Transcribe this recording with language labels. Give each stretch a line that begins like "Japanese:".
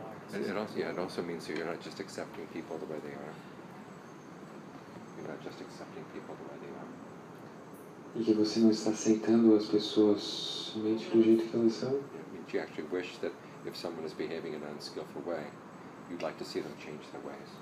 English: It also means that you're not just accepting people the way they are. You're not just accepting people the way they are.
Portuguese: E que você não está aceitando as pessoas somente do jeito que elas são.
English: You actually wish that if someone is behaving in an unskillful way, you'd like to see them change their ways.